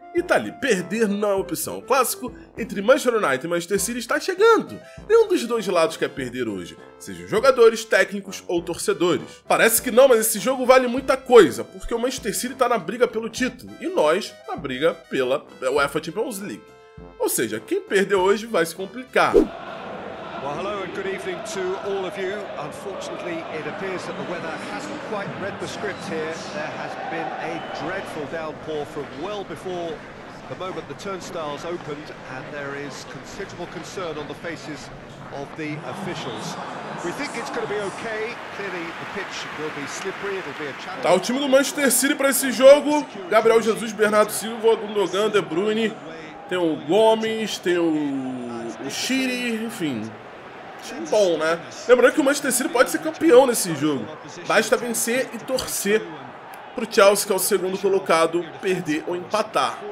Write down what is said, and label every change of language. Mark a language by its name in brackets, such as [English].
[Portuguese] E tá ali, perder não é opção. O clássico entre Manchester United e Manchester City está chegando. Nenhum dos dois lados quer perder hoje, sejam jogadores, técnicos ou torcedores. Parece que não, mas esse jogo vale muita coisa, porque o Manchester City tá na briga pelo título e nós na briga pela UEFA Champions League. Ou seja, quem perder hoje vai se complicar. [English] Well, hello and good evening to all of you. Unfortunately, it appears that the weather hasn't quite read the script here. There has been a dreadful downpour from well before the moment the turnstiles opened, and there is considerable concern on the faces of the officials. We think it's going to be okay. Clearly, the pitch will be slippery. It'll be a challenge. [Portuguese] Tá o time do Manchester City para esse jogo. Gabriel Jesus, Bernardo Silva, Gundogan, De Bruyne. Tem o Gomes, tem o Chiri, enfim. Bom, né? Lembrando que o Manchester City pode ser campeão nesse jogo. Basta vencer e torcer pro Chelsea, que é o segundo colocado, perder ou empatar.